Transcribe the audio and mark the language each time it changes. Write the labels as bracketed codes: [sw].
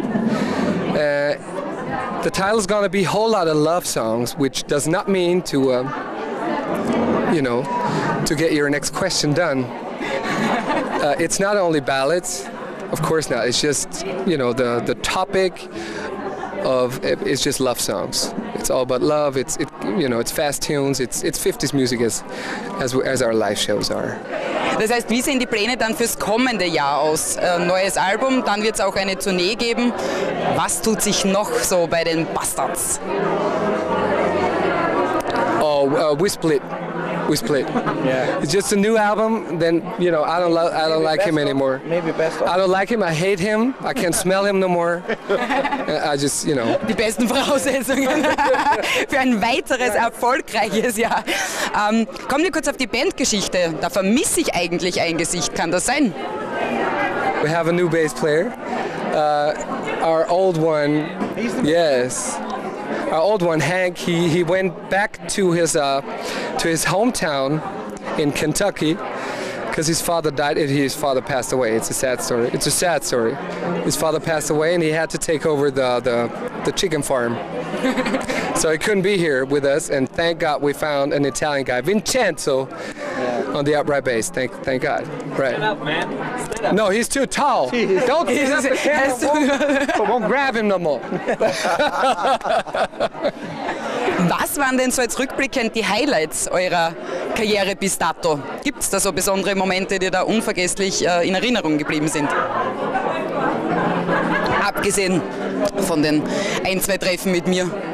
[en] The title is going to be Whole Lot of Love Songs, which does not mean to, you know, to get your next question done. It's not only ballads, of course not. It's just, you know, the topic of it's just love songs. It's all about love. It's fast tunes. It's 50s music as our live shows are. [de] Das heißt, wie sehen die Pläne dann fürs kommende Jahr aus? Neues Album, dann wird es auch eine Tournee geben. Was tut sich noch so bei den Bastards? [en] Oh, we split. Yeah. It's just a new album. Then you know, I don't like him anymore. Maybe best of. I don't like him. I hate him. I can't smell him no more. I just, you know. [de] Die besten Voraussetzungen für ein weiteres erfolgreiches Jahr. Kommen wir kurz auf die Bandgeschichte. Da vermisse ich eigentlich ein Gesicht. Kann das sein? [en] We have a new bass player. Our old one. Yes. Our old one, Hank. He went back to his hometown in Kentucky, Because his father died, his father passed away. It's a sad story. It's a sad story. His father passed away and he had to take over the chicken farm. So he couldn't be here with us, and thank God we found an Italian guy, Vincenzo, on the upright bass. Thank God. Right. Stand up, man. Stand up. No, he's too tall. Jeez. Don't he's set the camera, has won't grab him no more. [de] Was waren denn so jetzt rückblickend die Highlights eurer Karriere bis dato? Gibt es da so besondere Momente, die da unvergesslich in Erinnerung geblieben sind? Abgesehen von den ein, zwei Treffen mit mir.